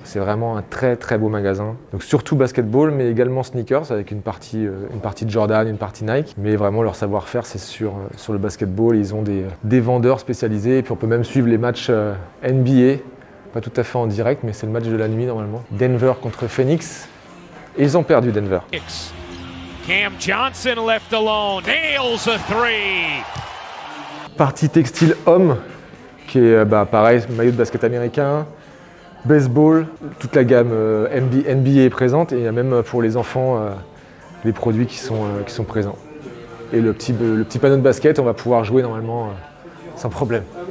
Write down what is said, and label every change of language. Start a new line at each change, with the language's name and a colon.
French: C'est vraiment un très très beau magasin. Donc surtout basketball, mais également sneakers, avec une partie de Jordan, une partie Nike. Mais vraiment, leur savoir-faire, c'est sur le basketball. Ils ont des vendeurs spécialisés. Et puis on peut même suivre les matchs NBA. Pas tout à fait en direct, mais c'est le match de la nuit normalement. Denver contre Phoenix. Ils ont perdu Denver.
English: Cam Johnson left alone, nails a three.
French: Partie textile homme, qui est bah, pareil, maillot de basket américain, baseball, toute la gamme NBA est présente, et il y a même pour les enfants les produits qui sont présents. Et le petit panneau de basket, on va pouvoir jouer normalement sans problème.